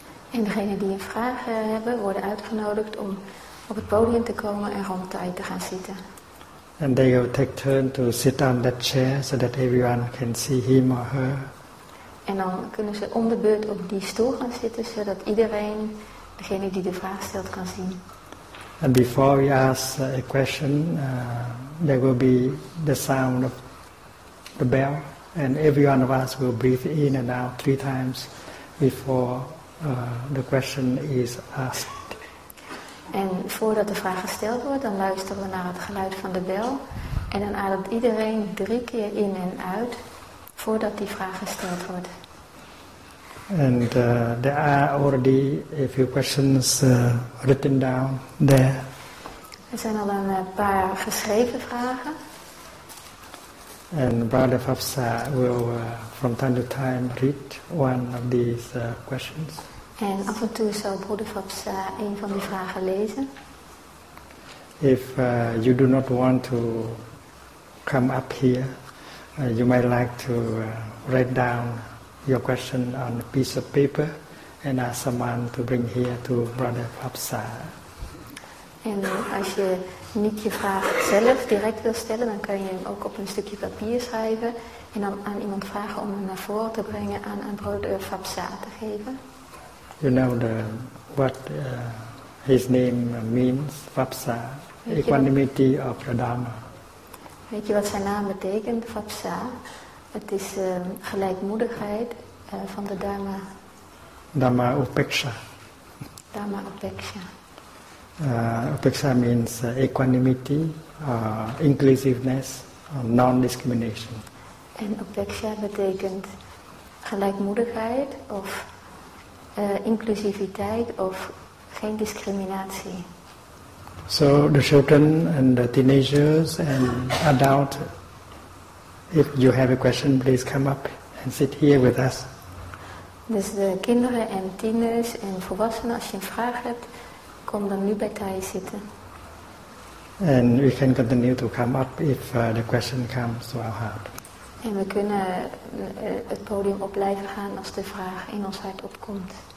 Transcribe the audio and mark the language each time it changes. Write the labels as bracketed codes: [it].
[nl] En degenen die een vraag hebben worden uitgenodigd om op het podium te komen en rond Thay te gaan zitten. [en] And they will take turn to sit on that chair so that everyone can see him or her. [nl] En dan kunnen ze om de beurt op die stoel gaan zitten zodat iedereen, degene die de vraag stelt, kan zien. [en] And before we ask a question, there will be the sound of the bell, and every one of us will breathe in and out 3 times before the question is asked. [nl] En voordat de vraag gesteld wordt, dan luisteren we naar het geluid van de bel, en dan ademt iedereen 3 keer in en uit voordat die vraag gesteld wordt. [en] And there are already a few questions written down there. [nl] Er zijn al een paar geschreven vragen. [en] And Brother Fafsa will from time to time read one of these questions. [nl] En af en toe zal Brother Fafsa een van die vragen lezen. [en] If you do not want to come up here, you might like to write down your question on a piece of paper and ask someone to bring here to Brother Fafsa. [nl] En als je niet je vraag zelf direct wil stellen, dan kan je hem ook op een stukje papier schrijven en dan aan iemand vragen om hem naar voren te brengen aan een broeder Fafsa te geven. [en] You know the, what his name means, Fafsa, equanimity of the Dharma. [nl] Weet je wat zijn naam betekent, Fafsa? Het is gelijkmoedigheid van de Dharma. [en] Dharma Upeksha. [nl] Dharma Upeksha. [en] Upeksha means equanimity, inclusiveness, non-discrimination. [nl] En upeksha betekent gelijkmoedigheid of inclusiviteit of geen discriminatie. [en] So the children and the teenagers and adults, if you have a question, please come up and sit here with us. [nl] Dus de kinderen en tieners en volwassenen, als je een vraag hebt, kom dan nu bij Thay zitten. [en] And we can continue to come up if the question comes to our heart. [nl] En we kunnen het podium op blijven gaan als de vraag in ons hart opkomt.